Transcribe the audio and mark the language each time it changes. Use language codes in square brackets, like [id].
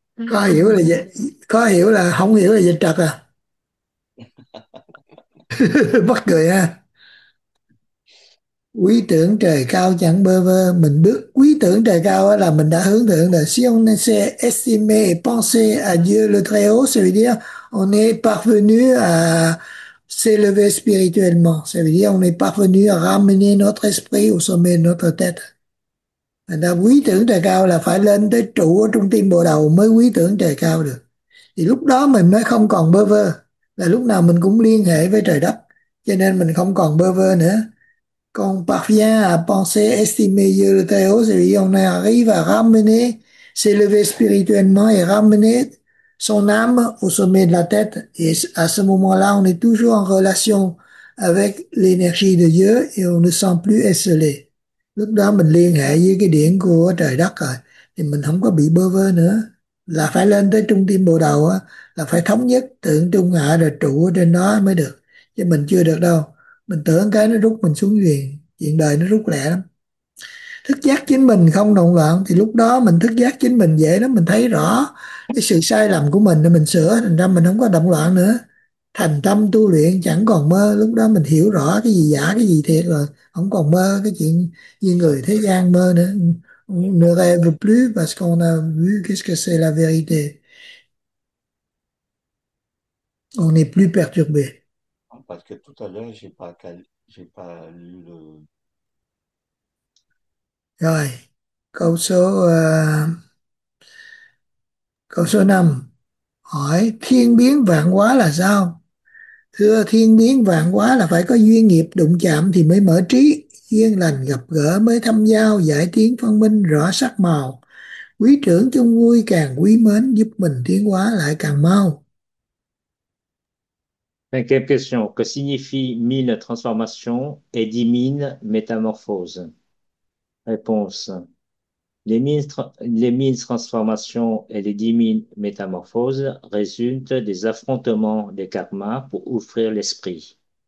[vi] Khó hiểu là vậy, khó hiểu là không hiểu là vậy trật à. Bất cười ha. Quý tưởng trời cao chẳng bơ vơ, mình bước quý tưởng trời cao là mình đã hướng thượng rồi. [fr] Si on ne sait estimer et penser à Dieu le Très-Haut, ça veut dire on est parvenu à s'élever spirituellement. Ça veut dire on est parvenu à ramener notre esprit au sommet de notre tête. [vi] Mình đã quý tưởng trời cao là phải lên tới trụ ở trung tâm bồ đầu mới quý tưởng trời cao được. Thì lúc đó mình mới không còn bơ vơ, là lúc nào mình cũng liên hệ với trời đất, cho nên mình không còn bơ vơ nữa. [fr] Còn parvient à penser estimer Dieu le Très-Haut, c'est-à-dire on arrive à ramener, s'élever spirituellement et ramener son âme au sommet de la tête. Et à ce moment-là, on est toujours en relation avec l'énergie de Dieu et on ne sent plus esseulé. [vi] Lúc đó mình liên hệ với cái điển của trời đất rồi, thì mình không có bị bơ vơ nữa. Là phải lên tới trung tâm bồ đầu á, là phải thống nhất tượng trung hạ rồi trụ ở trên đó mới được. Chứ mình chưa được đâu. Mình tưởng cái nó rút mình xuống liền, chuyện đời nó rút lẹ lắm. Thức giác chính mình không động loạn thì lúc đó mình thức giác chính mình dễ lắm, mình thấy rõ cái sự sai lầm của mình để mình sửa, thành ra mình không có động loạn nữa, thành tâm tu luyện chẳng còn mơ. Lúc đó mình hiểu rõ cái gì giả cái gì thiệt rồi, không còn mơ cái chuyện như người thế gian mơ nữa. [fr] Ne rêve plus parce qu'on a vu qu'est-ce que c'est la vérité. On n'est plus perturbé. Parce que tout à l'heure, j'ai pas lu le. [vi] Rồi, câu số 5. Hỏi thiên biến vạn hóa là sao? Thưa, thiên biến vạn hóa là phải có duyên nghiệp đụng chạm thì mới mở trí, duyên lành gặp gỡ mới thâm giao, giải tiến phân minh rõ sắc màu. Quý trưởng chung vui càng quý mến, giúp mình tiến hóa lại càng mau. [fr] Cinquième question, que signifie mille transformations et 10 000 métamorphoses? Réponse, les mille transformations et les 10 000 métamorphoses résultent des affrontements des karmas pour ouvrir l'esprit.